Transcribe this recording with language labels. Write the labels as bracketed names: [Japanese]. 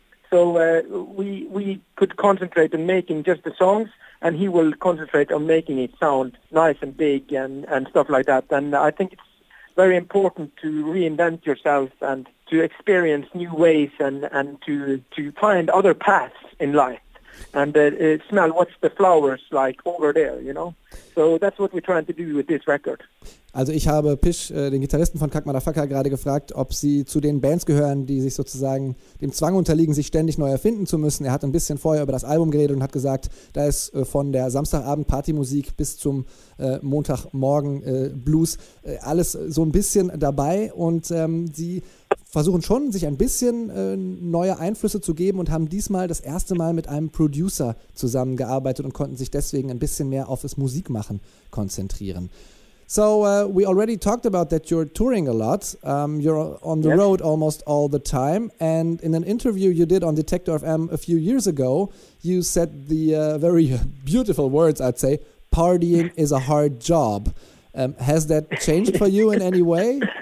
[English] So we could concentrate on making just the songs, and he will concentrate on making it sound nice and big and stuff like that. And I think it's very important to reinvent yourself and to experience new ways and to find other paths in life and smell what's the flowers like over there, you know? So that's what we're trying to do with this record. [German] Also ich habe Pish, den Gitarristen von Kackmotherfucker, gerade gefragt, ob sie zu den Bands gehören, die sich sozusagen dem Zwang unterliegen, sich ständig neu erfinden zu müssen. Er hat ein bisschen vorher über das Album geredet und hat gesagt, da ist von der Samstagabend-Partymusik bis zum Montagmorgen-Blues alles so ein bisschen dabei. Und sie versuchen schon, sich ein bisschen neue Einflüsse zu geben, und haben diesmal das erste Mal mit einem Producer zusammengearbeitet und konnten sich deswegen ein bisschen mehr auf das Musikmachen konzentrieren. [English] So we already talked about that you're touring a lot. You're on the road almost all the time. And in an interview you did on Detector FM a few years ago, you said the very beautiful words, I'd say, partying is a hard job. Has that changed for you in any way?